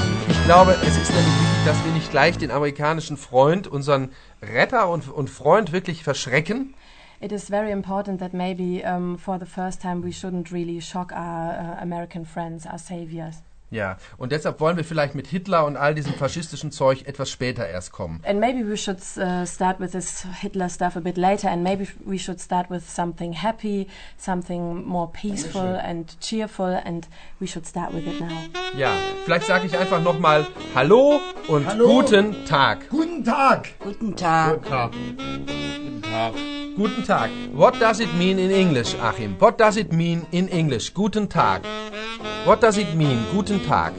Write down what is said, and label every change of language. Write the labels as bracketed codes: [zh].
[de] Ich glaube, es ist nämlich wichtig, dass wir nicht gleich den amerikanischen Freund, unseren Retter und Freund wirklich verschrecken. [en] It is very important that maybe for the first time we shouldn't really shock our American friends, our saviors. [de] Ja, und deshalb wollen wir vielleicht mit Hitler und all diesem faschistischen Zeug etwas später erst kommen. [en] And maybe we should start with this Hitler stuff a bit later and maybe we should start with something happy, something more peaceful and cheerful and we should start with it now. [de] Ja, vielleicht sage ich einfach nochmal Hallo und Hallo. Guten Tag. Guten Tag. Guten Tag. Guten Tag. Guten Tag. Guten Tag. [en] What does it mean in English, Achim? What does it mean in English? [de] Guten Tag. [en] What does it mean? Guten Tag.